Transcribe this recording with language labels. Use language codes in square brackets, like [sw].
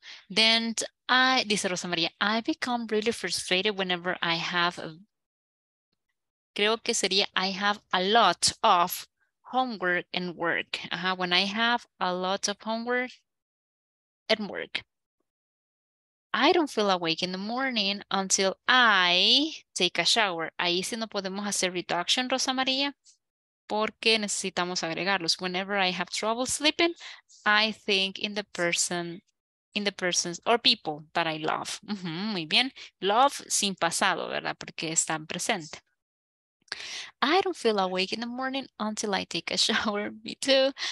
[en] Then I, [es] dice Rosa Maria, [en] I become really frustrated whenever I have, [es] creo que sería, [en] I have a lot of homework and work. When I have a lot of homework and work. I don't feel awake in the morning until I take a shower. [es] Ahí sí no podemos hacer reduction, Rosa María, porque necesitamos agregarlos. [en] Whenever I have trouble sleeping, I think in the person, in the persons or people that I love. Uh-huh, [es] muy bien. [en] Love [es] sin pasado, ¿verdad? Porque está en presente. [en] I don't feel awake in the morning until I take a shower. Me too.